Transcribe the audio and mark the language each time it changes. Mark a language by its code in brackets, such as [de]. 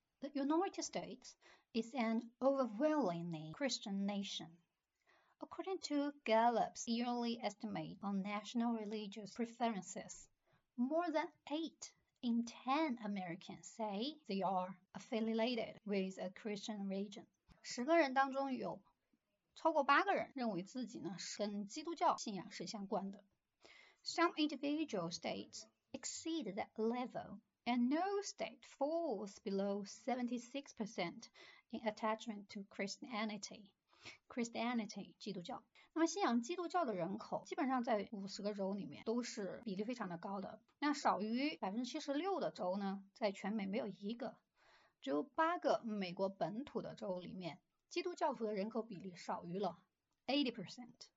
[en] the United States is an overwhelmingly Christian nation. According to Gallup's yearly estimate on national religious preferences, more than 8 in 10 Americans say they are affiliated with a Christian religion. [zh] 十个人当中有超过八个人认为自己呢是跟基督教信仰是相关的。 [en] Some individual states exceed that level, and no state falls below 76% in attachment to Christianity. [zh] Christianity, 基督教。那么信仰基督教的人口基本上在50个州里面都是比例非常的高的。那少于 76% 的州呢，在全美没有一个，只有八个美国本土的州里面基督教徒的人口比例少于了 80%。